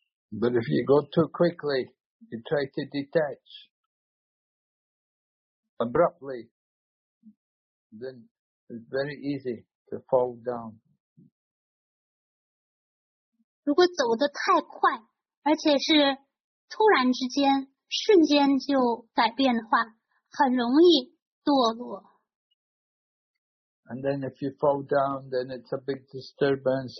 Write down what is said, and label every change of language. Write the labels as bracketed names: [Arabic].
[English] But if you go too quickly, you try to detach abruptly, then it's very easy to fall down. [Chinese] 如果走得太快，而且是突然之间，瞬间就改变的话，很容易堕落。 [English] And then if you fall down, then it's a big disturbance.